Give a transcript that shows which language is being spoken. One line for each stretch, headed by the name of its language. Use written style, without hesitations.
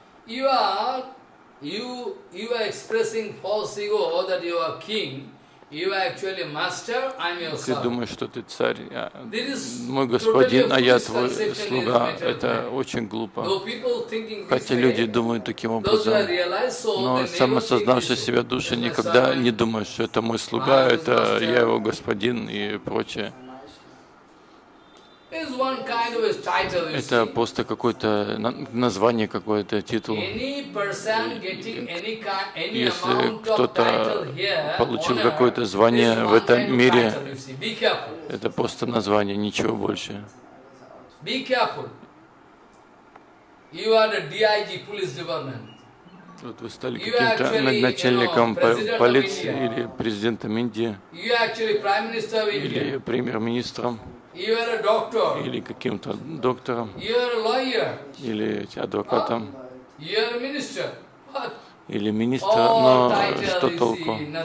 English: You are expressing false ego that you are king. You are actually master, I'm your servant.
Russian: Ты думаешь, что ты царь, я мой господин, а я твой слуга. Это очень глупо. Хотя люди думают таким образом, но самосознавшие себя души никогда не думают, что это мой слуга, это я его господин и прочее. Это просто какое-то название, какой-то титул. Если кто-то получил какое-то звание в этом мире, это просто название, ничего больше.
English: Be careful. You are the DIG, police department.
Russian: Вот вы стали каким-то начальником полиции или президентом Индии, или премьер-министром, или каким-то доктором, или адвокатом, или министром, но что толку?